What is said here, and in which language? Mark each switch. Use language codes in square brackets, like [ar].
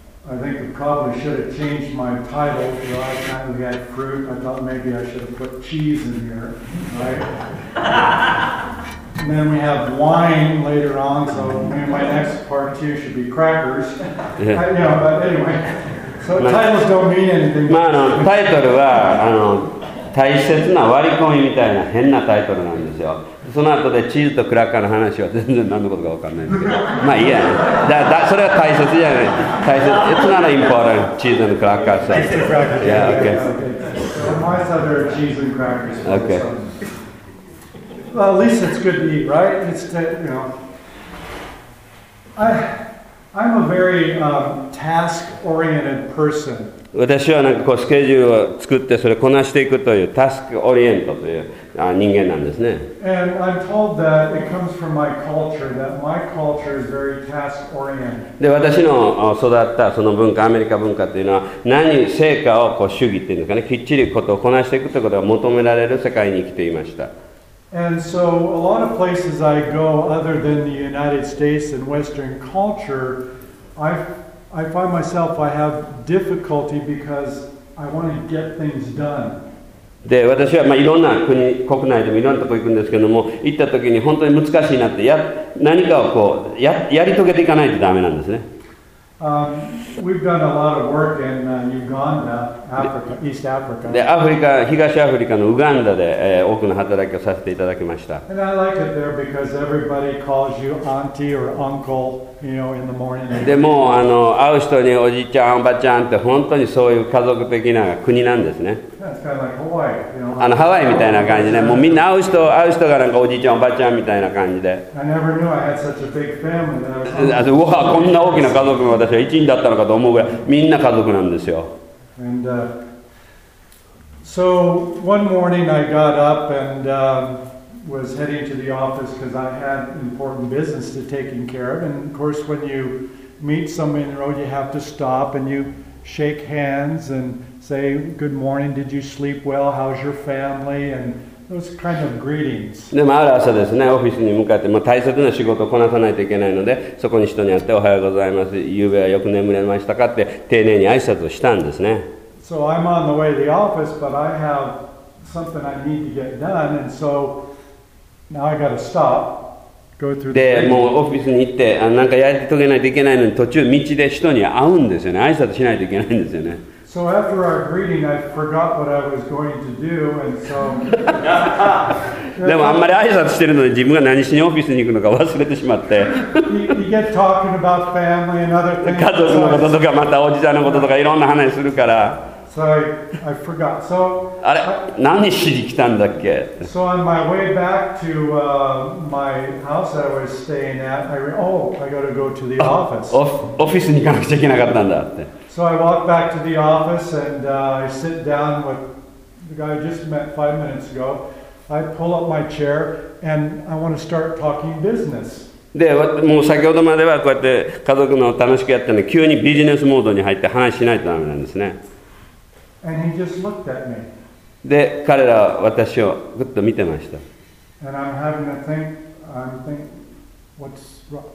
[en] I think we probably should have changed my title. The last time we had fruit, I thought maybe I should have put cheese in here, right? And then we have wine later on, so maybe my next part two should be crackers. Yeah. You know, but anyway, so titles don't mean anything. [ja] まあタイトルは大切な割り込みみたいな変なタイトルなんですよ。その後でチーズとクラッカーの話は全然何のことか分かんないんですけど、まあいいや、ね、だそれは大切じゃない、大切、 [en] It's not important, [ja] チーズとクラッカーさ、チーズとクラッカー、 [en] yeah, okay. My side are cheese and crackers. Okay. Well, at least it's good to eat, right? It's to, you know, I'm a very task-oriented person. [ja] 私はなんかこうスケジュールを作ってそれをこなしていくというタスクオリエントという人間なんですね。 [en] And I'm told that it comes from my culture, that my culture is very task oriented. [ja] で私の育ったその文化、アメリカ文化というのは何成果をこう主義っていうんですかね、きっちりことをこなしていくということが求められる世界に生きていました。 [en] And so a lot of places I go other than the United States and Western culture, I find myself I have difficulty because I want to get things done. [ja] で私はまあいろんな国内でもいろんなとこ行くんですけども、行った時に本当に難しいなって、何かをこうやり遂げていかないとダメなんですね。 [en] We've done a lot of work in Uganda, Africa, East Africa. [ja] で、アフリカ、東アフリカのウガンダで、多くの働きをさせていただきました。 [en] And I like it there because everybody calls you auntie or uncle, you know, in the morning. [ja] でも、会う人におじいちゃん、おばちゃんって本当にそういう家族的な国なんですね。 [en] That's kind of like Hawaii, you know. [ja] あのハワイみたいな感じね。もうみんな会う人がなんかおじいちゃん、おばちゃんみたいな感じで。 [en] I never knew I had such a big family that I was. [ja] うわ、こんな大きな家族も私は一人だったのかと思うぐらい、みんな家族なんですよ。 [en] And, so one morning I got up and was heading to the office because I had important business to take care of. And of course, when you meet somebody in the road, you have to stop and you shake hands and say good morning. Did you sleep well? How's your family? And those kind of greetings. [ja] でもある朝ですね、オフィスに向かって、まあ、大切な仕事をこなさないといけないので、そこに人に会っておはようございます。夕べはよく眠れましたかって丁寧に挨拶をしたんですね。 [en] So I'm on the way to the office, but I have something I need to get done, and so now I got to stop. Go through the greetings. [ja] でもうオフィスに行って、なんかやり遂げないといけないのに途中道で人に会うんですよね。挨拶しないといけないんですよね。 [en] So after our greeting, I forgot what I was going to do, and so. [ja] でもあんまり挨拶してるのに自分が何しにオフィスに行くのか忘れてしまって。 [en] You get talking about family and other things. [ja] 家族のこととかまたおじさんのこととかいろんな話するから。 [en] So I forgot. So. [ja] あれ何しに来たんだっけ [en] ？So on my way back to my house that I was staying at, I got to go to the office. [ja] オフィスに行かなくちゃいけなかったんだって。 [en] So I walk back to the office and I sit down with the guy I just met 5 minutes ago. I pull up my chair and I want to start talking business. [ja] で、もう先ほどまではこうやって家族の楽しくやってるのに急にビジネスモードに入って話しないとダメなんですね。 [en] And he just looked at me. [ja] で、彼らは私をぐっと見てました。 [en] And I'm having to think, I'm thinking, what's wrong?